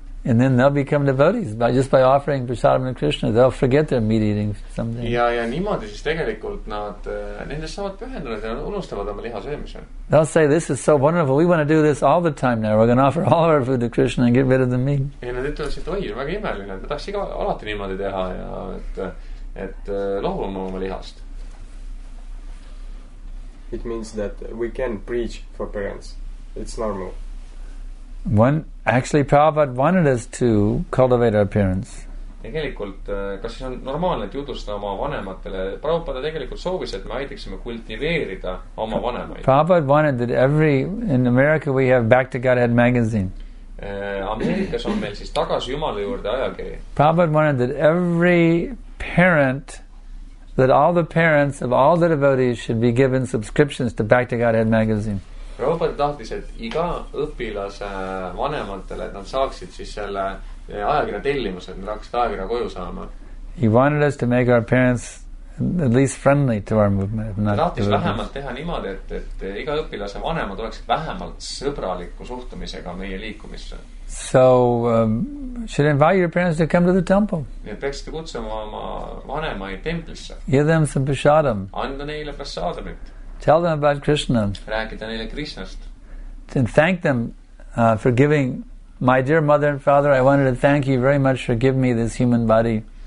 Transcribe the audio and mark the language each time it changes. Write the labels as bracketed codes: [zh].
[en] And then they'll become devotees by just by offering prasadam to Krishna. They'll forget their meat eating someday. [et] Ja niimoodi siis tegelikult nad nendes saavad pühendunud ja unustavad oma liha söömise. [en] They'll say, this is so wonderful. We want to do this all the time now. We're going to offer all our food to Krishna and get rid of the meat. [et] Ja nad ütlevad, et oi, väga imeline. Me tahaks iga alati niimoodi teha ja et loobuma oma lihast. [en] It means that we can preach for parents. It's normal. One actually Prabhupada wanted us to cultivate our parents. [et] Tegelikult kas siis on normaalne jutustada oma vanematele. Prabhupada tegelikult soovis, et me aitaksime kultiveerida oma vanemaid. [en] Prabhupada wanted that every in America we have Back to Godhead magazine. [et] Ameerikas on meil siis tagasi Jumala juurde ajakiri. [en] Prabhupada wanted that every parent that all the parents of all the devotees should be given subscriptions to Back to Godhead magazine. [et] Prabhupada tahtis, et iga õpilase vanematele, et nad saaksid siis selle ajakirja tellimuse, et nad hakkasid ajakirja koju saama. [en] He wanted us to make our parents at least friendly to our movement. [et] Ta tahtis vähemalt teha niimoodi, et iga õpilase vanemad oleksid vähemalt sõbraliku suhtumisega meie liikumisse. [en] So, should invite your parents to come to the temple. [et] Ja peaksite kutsuma oma vanemaid templisse. [en] Give them some prasadam. [et] Anda neile prasadamit. [en] Tell them about Krishna. [et] Rääkida neile Krishnast. [en] And thank them for giving my dear mother and father, I wanted to thank you very much for giving me this human body.